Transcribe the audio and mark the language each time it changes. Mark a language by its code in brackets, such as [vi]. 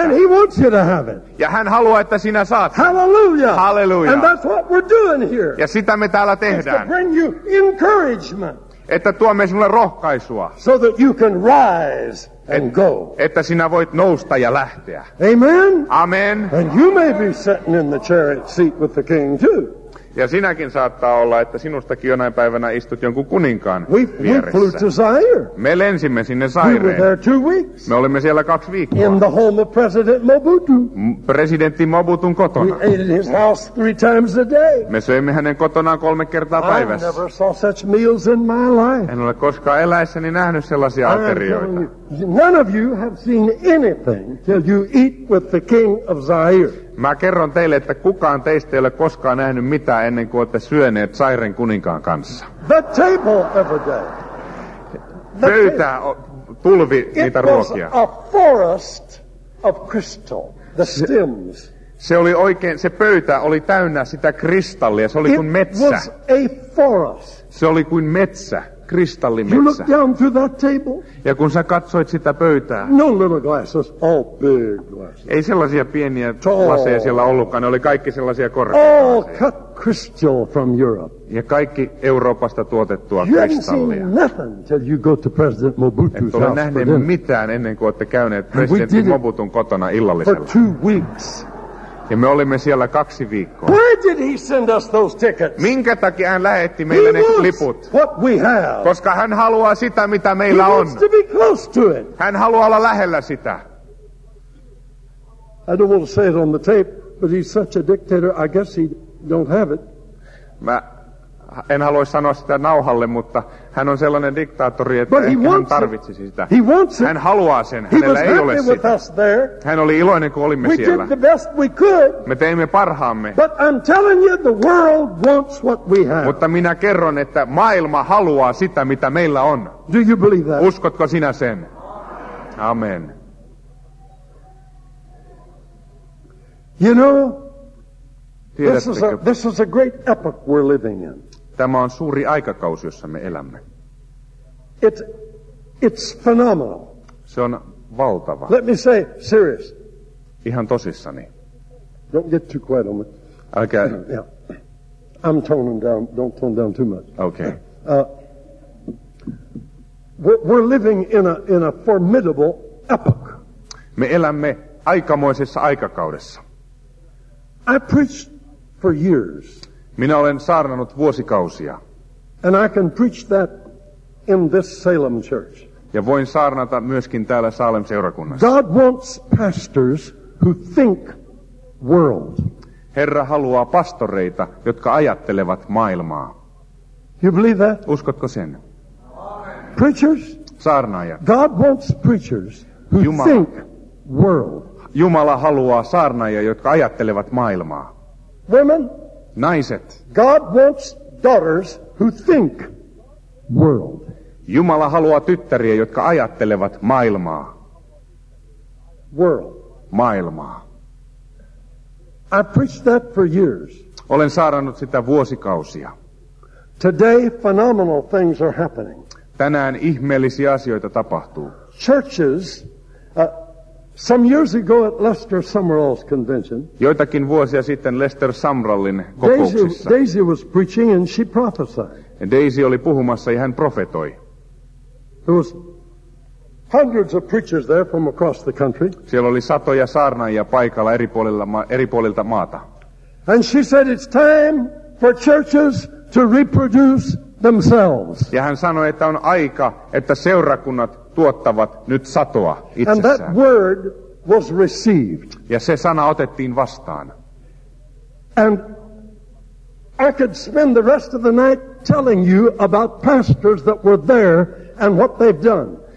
[en] And he wants you to have it. [fi] Ja hän haluaa, että sinä saat sen. [en] Hallelujah. [fi] Hallelujah. [en] And that's what we're doing here. [fi] Ja sitä me täällä tehdään. [en] To bring you encouragement. [fi] Että tuomme sinulle rohkaisua. [en] So that you can rise and go. [fi] Että sinä voit nousta ja lähteä. [en] Amen. [fi] Amen. [en] And you may be sitting in the chariot seat with the king too. [fi] Ja sinäkin saattaa olla, että sinustakin jonain päivänä istut jonkun kuninkaan vieressä. Me lensimme sinne Zaireen. [en] We were there 2 weeks. [fi] Me olimme siellä 2 viikkoa. [en] In the home of President Mobutu. [fi] Presidentti Mobutun kotona. [en] We ate at his house 3 times a day. [fi] Me söimme hänen kotonaan 3 kertaa päivässä. [en] I never saw such meals in my life. [fi] En ole koskaan eläessäni nähnyt sellaisia aterioita. [en] None of you have seen anything till you eat with the king of Zaire. [fi] Mä kerron teille, että kukaan teistä ei ole koskaan nähnyt mitään ennen kuin olette syöneet Zairen kuninkaan kanssa. [en] The table every day. [fi] Pöytä tulvi niitä ruokia. [en] It was a forest of crystal, the stems. [fi] Se oli oikein, se pöytä oli täynnä sitä kristallia, se oli kuin metsä. [en] It was a forest. [fi] Se oli kuin metsä. [en] You look down through that table. [fi] Ja kun sä katsoit sitä pöytää. [en] No little glasses, all big glasses. [fi] Ei sellaisia pieniä laseja siellä ollutkaan, ne oli kaikki sellaisia korkeita. [en] All cut crystal from Europe. [fi] Ja kaikki Euroopasta tuotettua kristallia. [en] Nothing till you go to President Mobutu's house. [fi] Et ole nähnyt mitään ennen kuin olette käyneet presidentti Mobutun kotona illallisella. [en] For 2 weeks. [fi] Ja me olimme siellä 2 viikkoa. [en] Why did he send us those tickets? [fi] Minkä takia hän lähetti meille ne liput? [en] What we have. [fi] Koska hän haluaa sitä, mitä meillä [en] he [fi] on. [en] Wants to be close to it. [fi] Hän haluaa olla lähellä sitä. [en] I don't want to say it on the tape, but he's such a dictator, I guess he don't have it. [fi] Mä en halua sanoa sitä nauhalle, mutta hän on sellainen diktaattori, että [en] but [fi] ehkä hän tarvitsisi sitä. [en] He wants it. [fi] Hän haluaa sen, hänellä ei ole sitä. Hän oli iloinen, kun olimme [en] we [fi] siellä. [en] Did the best we could. [fi] Me teimme parhaamme. [en] But I'm telling you, the world wants what we have. [fi] Mutta minä kerron, että maailma haluaa sitä, mitä meillä on. [en] Do you believe that? [fi] Uskotko sinä sen? Amen. [en] You know, this is a great epoch we're living in. [fi] Tämä on suuri aikakausi, jossa me elämme. [en] It's phenomenal. [fi] Se on valtava. [en] Let me say serious. [fi] Ihan tosissani. [en] Don't get too quiet on me. Okay. Yeah. I'm toning down. Don't tone down too much. Okay. We're living in a formidable epoch. [fi] Me elämme aikamoisessa aikakaudessa. [en] I preached for years. [fi] Minä olen saarnannut vuosikausia. [en] And I can preach that in this Salem church. [fi] Ja voin saarnata myöskin täällä Salem seurakunnassa. [en] God wants pastors who think world. [fi] Herra haluaa pastoreita, jotka ajattelevat maailmaa. [en] You believe that? [fi] Uskotko sen? [en] Preachers? [fi] Saarnaajat. [en] God wants preachers who think world. [fi] Jumala haluaa saarnaajia, jotka ajattelevat maailmaa. [en] Women? [fi] Naiset. [en] God wants daughters who think world. [fi] Jumala haluaa tyttäriä, jotka ajattelevat maailmaa. [en] World. [fi] Maailmaa. [en] I preached that for years. [fi] Olen saarnannut sitä vuosikausia. [en] Today phenomenal things are happening. [fi] Tänään ihmeellisiä asioita tapahtuu. [en] Churches. Some years ago at Lester Sumrall's convention. [fi] Joitakin vuosia sitten Lester Sumrallin kokouksissa. [en] Daisy was preaching and she prophesied. [fi] Daisy oli puhumassa ja hän profetoi. [en] There was hundreds of preachers there from across the country. [fi] Siellä oli satoja saarnaajia paikalla eri puolilta maata. [en] And she said it's time for churches to reproduce themselves. [fi] Ja hän sanoi, että on aika, että seurakunnat tuottavat nyt satoa itsessään. [en] And that word was received. [fi] Ja se sana otettiin vastaan. [en] And I could spend the rest of the night telling you about pastors that were there and what they've done.